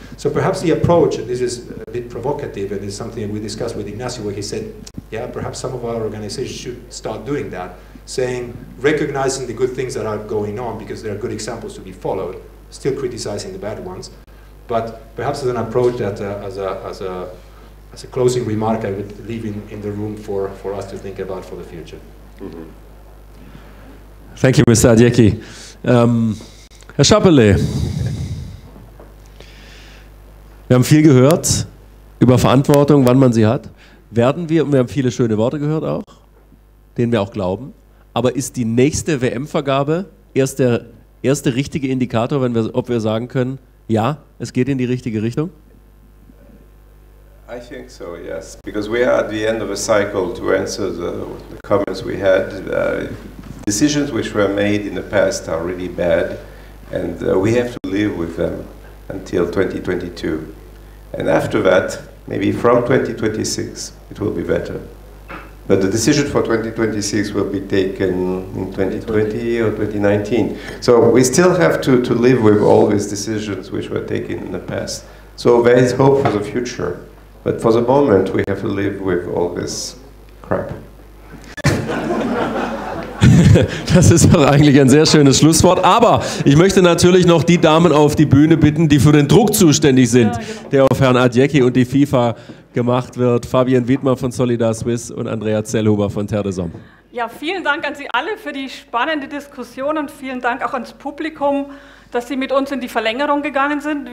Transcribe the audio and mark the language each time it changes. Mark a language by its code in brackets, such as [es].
[en] So perhaps the approach, and this is a bit provocative, and it's something we discussed with Ignacio, where he said, yeah, perhaps some of our organizations should start doing that, saying, recognizing the good things that are going on, because there are good examples to be followed, still criticizing the bad ones, but perhaps as an approach that as a closing remark, I would leave in the room for us to think about for the future. Mm-hmm. Thank you, Mr. Adjeki. [de] Herr Schappele, wir haben viel gehört über Verantwortung, wann man sie hat. Werden wir, und wir haben viele schöne Worte gehört auch, denen wir auch glauben, aber ist die nächste WM-Vergabe erst der erste richtige Indikator, wenn wir, ob wir sagen können, ja, es geht in die richtige Richtung? [en] I think so, yes, because we are at the end of a cycle to answer the comments we had. Decisions which were made in the past are really bad, and we have to live with them until 2022. And after that, maybe from 2026, it will be better. But the decision for 2026 will be taken in 2020 or 2019. So we still have to live with all these decisions which were taken in the past. So there is hope for the future. But for the moment, we have to live with all this crap. [de] Das ist doch eigentlich ein sehr schönes Schlusswort. Aber ich möchte natürlich noch die Damen auf die Bühne bitten, die für den Druck zuständig sind, der auf Herrn Adjeki und die FIFA gemacht wird. Fabienne Wiedmer von Solidar Swiss und Andrea Zellhuber von Terre des Hommes. Ja, vielen Dank an Sie alle für die spannende Diskussion und vielen Dank auch ans Publikum, dass Sie mit uns in die Verlängerung gegangen sind.